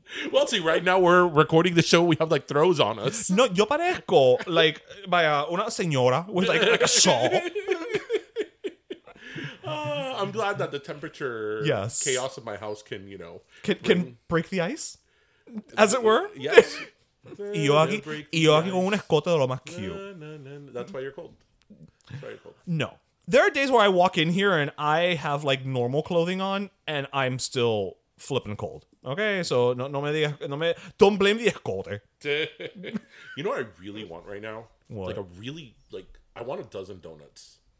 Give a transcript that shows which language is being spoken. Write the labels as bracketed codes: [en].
[en] Well, see, right now we're recording the show. We have, like, throws on us. [es] No, yo parezco, [en] like, by [es] una señora [en] with, like a shawl. I'm glad that the temperature chaos of my house can, you know... Can break the ice? As it were? Yes. [es] Y yo aquí con una escota de lo más [en] cute. That's why you're cold. No. There are days where I walk in here and I have, like, normal clothing on and I'm still flipping cold. Okay? So, [es] no me digas... [en] Don't blame the escote. You know what I really want right now? What? Like, a really... Like, I want a dozen donuts.